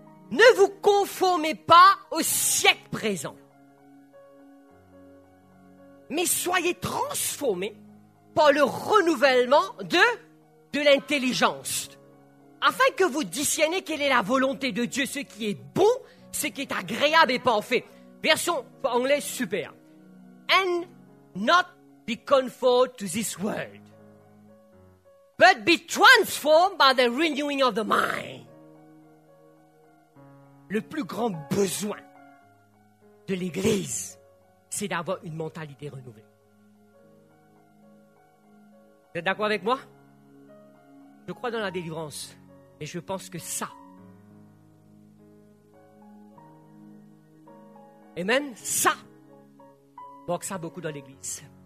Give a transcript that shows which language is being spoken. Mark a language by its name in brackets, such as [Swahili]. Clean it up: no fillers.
[French] Ne vous conformez pas au siècle présent, mais soyez transformés par le renouvellement de l'intelligence, afin que vous discerniez quelle est la volonté de Dieu, ce qui est bon, ce qui est agréable et parfait. Version anglaise, super. [English] And not be conformed to this world, but be transformed by the renewing of the mind. [French] Le plus grand besoin de l'Église, c'est d'avoir une mentalité renouvelée. Vous êtes d'accord avec moi? Je crois dans la délivrance, et je pense que ça, et même ça, manque ça beaucoup dans l'Église.